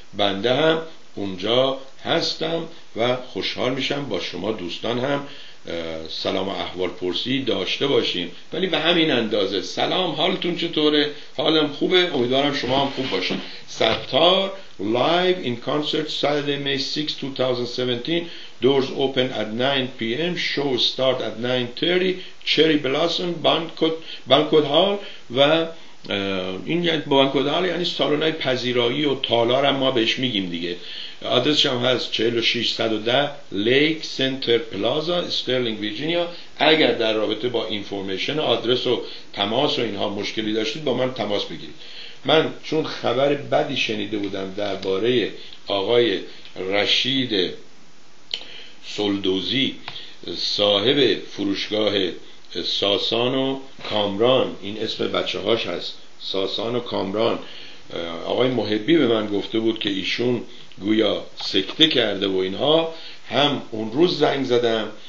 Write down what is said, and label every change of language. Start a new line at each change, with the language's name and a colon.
Persian: بنده هم اونجا هستم و خوشحال میشم با شما دوستان هم سلام و احوال پرسی داشته باشیم، ولی به همین اندازه. سلام، حالتون چطوره؟ حالم خوبه، امیدوارم شما هم خوب باشین.
English: ستار live in concert Saturday May 6, 2017. Doors open at 9 p.m. Show start at 9:30. Cherry Blossom Banquet Hall.
Persian: و این یعنی بانکوت هال یعنی سالونای پذیرایی و تالار هم ما بهش میگیم دیگه. آدرسش هم هست
English: 4610 Lake Center Plaza Sterling Virginia.
Persian: اگر در رابطه با اینفورمیشن آدرس و تماس و اینها مشکلی داشتید با من تماس بگیرید. من چون خبر بدی شنیده بودم درباره آقای رشید سلدوزی، صاحب فروشگاه ساسان و کامران، این اسم بچه هاش هست، ساسان و کامران، آقای محبی به من گفته بود که ایشون گویا سکته کرده و اینها، هم اون روز زنگ زدم